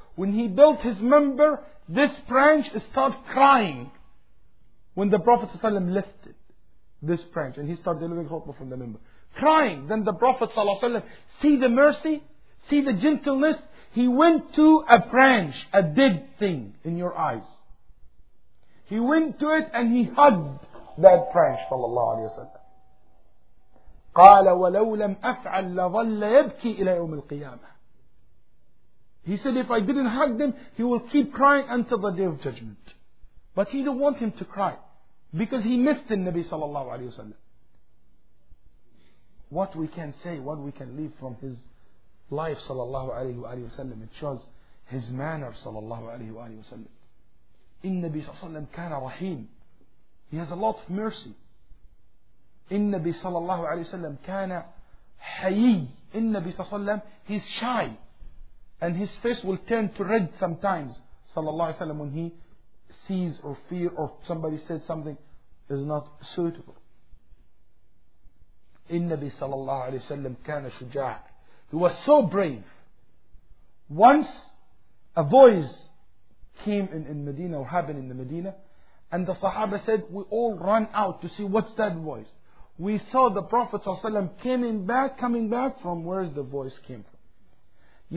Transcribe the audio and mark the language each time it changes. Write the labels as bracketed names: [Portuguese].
[English] When he built his minbar, this branch started crying when the Prophet sallallahu alayhi wa sallam lifted this branch, and he started delivering khutbah from the minbar, crying. Then the Prophet sallallahu alaihi wasallam see the mercy, see the gentleness. He went to a branch, a dead thing in your eyes. He went to it and he hugged that branch, sallallahu alaihi wasallam. [Arabic] قال ولو لم أفعل لظل يبكي إلى يوم القيامة. [English] He said if I didn't hug them, he will keep crying until the day of judgment. But he didn't want him to cry because he missed the Nabi sallallahu alayhi wa sallam. What we can say, what we can leave from his life sallallahu alayhi wa sallam, it shows his manner sallallahu alayhi wa sallam. [Arabic] إن النبي صلى الله عليه وسلم كان رحيم. [English] He has a lot of mercy. [Arabic] إن النبي صلى الله عليه وسلم كان حي. إن النبي صلى الله عليه وسلم [English] he's shy and his face will turn to red sometimes صلى الله عليه وسلم when he sees or fear or somebody said something is not suitable. [Arabic] إن النبي صلى الله عليه وسلم كان شجاع. [English] He was so brave. Once a voice came in Medina or happened in the Medina, and the Sahaba said, we all run out to see what's that voice. We saw the Prophet ﷺ coming back from where the voice came from.